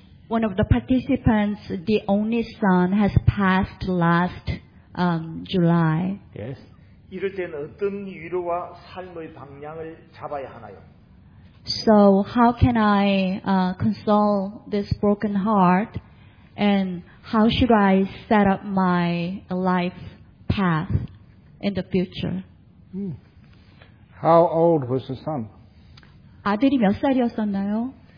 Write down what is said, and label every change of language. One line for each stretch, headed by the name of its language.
English: One of the participants, the only son, has passed last July. Yes.
Korean: 이럴 때는 어떤 위로와 삶의 방향을 잡아야 하나요?
English: So how can I console this broken heart, and how should I set up my life path? In the future. How old was the son?
Korean: 아들이 몇 살이었었나요?